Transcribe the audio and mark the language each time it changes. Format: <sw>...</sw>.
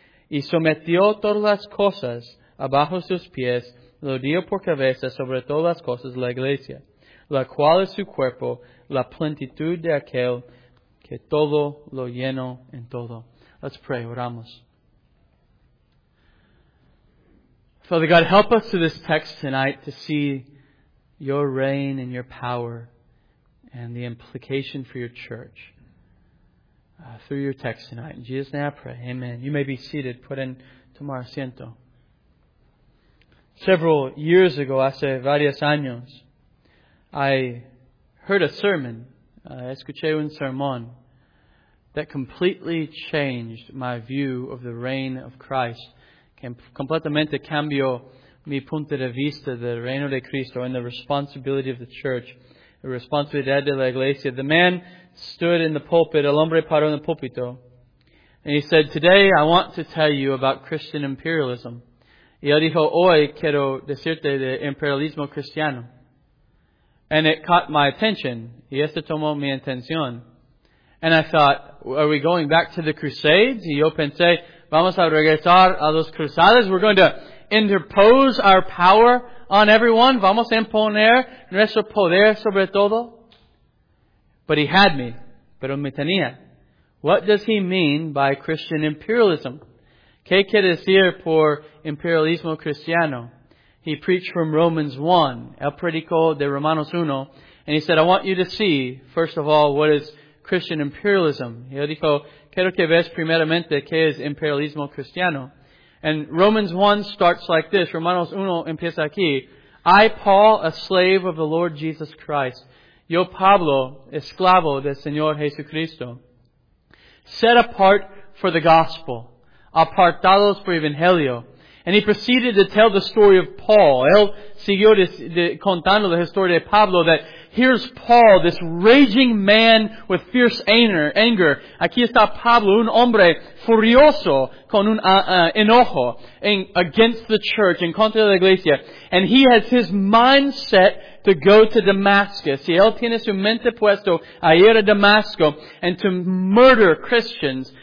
<es>Y sometió todas las cosas abajo sus pies, lo dio por cabeza sobre todas las cosas la iglesia, la cual es su cuerpo, la plenitud de aquel que todo lo llenó en todo.</es> <en>Let's pray,</en> <es>oramos.</es> <en>Father God, help us through this text tonight to see your reign and your power and the implication for your church through your text tonight. In Jesus' name I pray. Amen. You may be seated. Put in</en> <es>tomar asiento.</es> <en>Several years ago,</en> <es>hace varios años,</es> <en>I heard a sermon,</en> <es>escuché un sermón,</es> <en>that completely changed my view of the reign of Christ.</en> <es>Completamente cambió mi punto de vista del reino de Cristo</es> <en>and the responsibility of the church,</en> <es>the responsibilidad de la iglesia.</es> <en>The man stood in the pulpit,</en> <es>el hombre paró en el púlpito,</es> <en>and he said, "Today I want to tell you about Christian imperialism."</en> <es>Y él dijo, "Hoy quiero decirte de imperialismo cristiano."</es> <en>And it caught my attention.</en> <es>Y esto tomó mi atención.</es> <en>And I thought, are we going back to the Crusades?</en> <es>Y yo pensé, vamos a regresar a los cruzados.</es> <en>We're going to interpose our power on everyone.</en> <es>Vamos a imponer nuestro poder sobre todo.</es> <en>But he had me.</en> <es>Pero me tenía.</es> <en>What does he mean by Christian imperialism?</en> <es>¿Qué quiere decir por imperialismo cristiano?</es> <en>He preached from Romans 1.</en> <es>El predicó de Romanos 1.</es> <en>And he said, I want you to see, first of all, what is Christian imperialism.</en> <es>Y él dijo, quiero que veas primeramente qué es imperialismo cristiano.</es> <en>And Romans 1 starts like this.</en> <es>Romanos 1 empieza aquí.</es> <en>I, Paul, a slave of the Lord Jesus Christ.</en> <es>Yo, Pablo, esclavo del Señor Jesucristo.</es> <en>Set apart for the gospel.</en> <es>Apartados por evangelio.</es> <en>And he proceeded to tell the story of Paul.</en> <es>Él siguió contando la historia de Pablo,</es> <en>that here's Paul, this raging man with fierce anger.</en> <es>Aquí está Pablo, un hombre furioso con un enojo</es> <en>against the church,</en> <es>en contra de la iglesia.</es> <en>And he has his mind set to go to Damascus.</en> <es>Y él tiene su mente puesto a ir a Damasco</es> <en>and to murder Christians</en>